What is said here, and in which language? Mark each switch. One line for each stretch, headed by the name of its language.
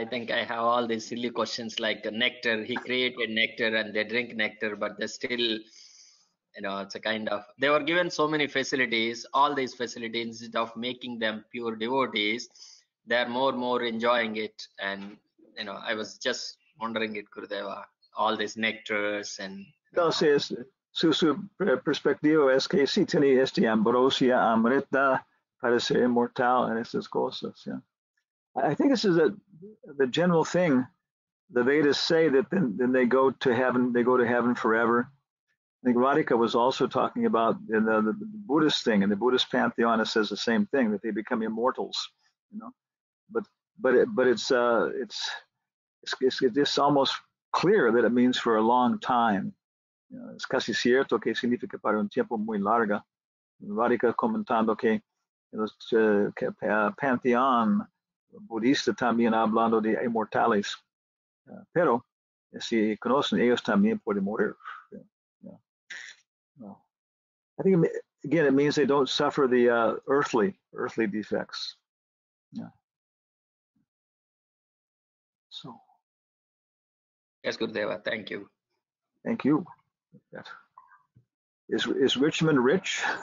English: I think I have all these silly questions like nectar. He created nectar and they drink nectar, but they're still, it's a kind of, they were given so many facilities, all these facilities, instead of making them pure devotees, they're more enjoying it. And, I was just wondering it, Gurudev, all these nectars and...
Spanish: Su perspectiva es que sí tiene este ambrosia amrita para ser inmortal en estas cosas.
English: Yeah. I think this is the general thing. The Vedas say that then they go to heaven. They go to heaven forever. I think Radhika was also talking about the Buddhist thing, and the Buddhist pantheon says the same thing, that they become immortals. You know, but it's almost clear that it means for a long time.
Spanish: Es casi cierto que significa para un tiempo muy largo. Radhika comentando que el panteón budista también hablando de inmortales. Pero si conocen, ellos también pueden morir.
English: Yeah. I think again it means they don't suffer the earthly defects. Yeah. So. Yes, Gurudeva. Thank you. Thank you. Yes. Is Richmond rich?